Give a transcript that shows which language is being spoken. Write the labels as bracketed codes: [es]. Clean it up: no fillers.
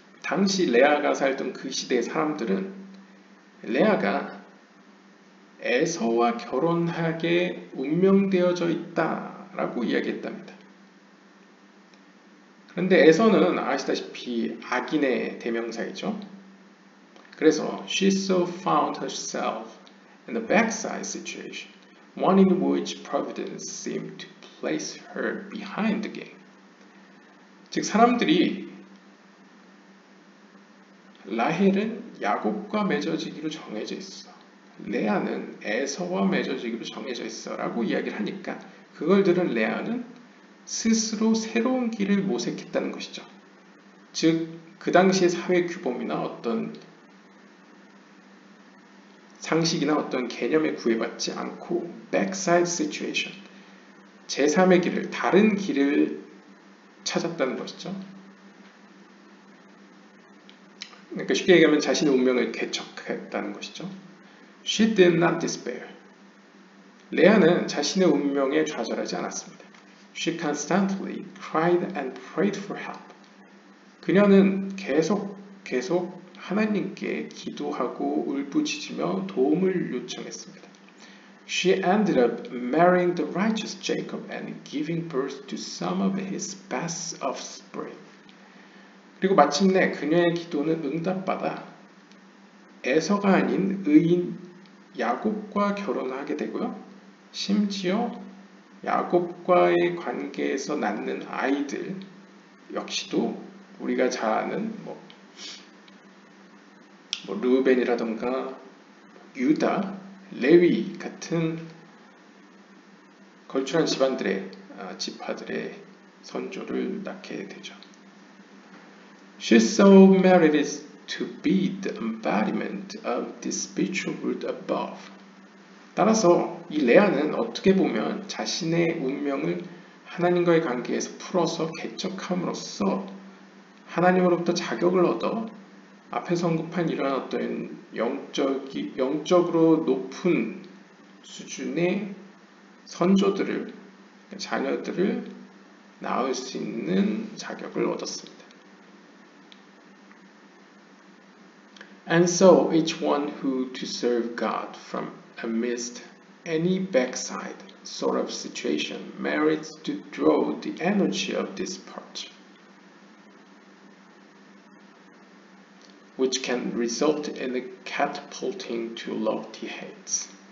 [ko] 당시 레아가 살던 그 시대의 사람들은 레아가 에서와 결혼하게 운명되어져 있다라고 이야기했답니다. 그런데 에서는 아시다시피 악인의 대명사이죠. 그래서 [en] she so found herself in a backside situation, one in which providence seemed to place her behind the game. [ko] 즉 사람들이 라헬은 야곱과 맺어지기로 정해져 있어. 레아는 에서와 맺어지기로 정해져 있어라고 이야기를 하니까 그걸 들은 레아는 스스로 새로운 길을 모색했다는 것이죠. 즉, 그 당시의 사회 규범이나 어떤 상식이나 어떤 개념에 구애받지 않고 [en] backside situation, [ko] 제3의 길을, 다른 길을 찾았다는 것이죠. 그러니까 쉽게 얘기하면 자신의 운명을 개척했다는 것이죠. [en] She did not despair. [ko] 레아는 자신의 운명에 좌절하지 않았습니다. [en] She constantly cried and prayed for help. [ko] 그녀는 계속 하나님께 기도하고 울부짖으며 도움을 요청했습니다. [en] She ended up marrying the righteous Jacob and giving birth to some of his best offspring. [ko] 그리고 마침내 그녀의 기도는 응답받아 에서가 아닌 의인 야곱과 결혼하게 되고요. 심지어 야곱과의 관계에서 낳는 아이들 역시도 우리가 잘 아는 뭐 르우벤이라든가 유다, 레위 같은 걸출한 지파들의 선조를 낳게 되죠. [en] She so merited to be the embodiment of the spiritual world above. [ko] 따라서 이 레아는 어떻게 보면 자신의 운명을 하나님과의 관계에서 풀어서 개척함으로써 하나님으로부터 자격을 얻어 앞에서 언급한 이러한 어떤 영적으로 높은 수준의 선조들을, 자녀들을 낳을 수 있는 자격을 얻었습니다. [en] And so each one who to serve God from amidst any backside sort of situation merits to draw the energy of this part, which can result in catapulting to lofty heights.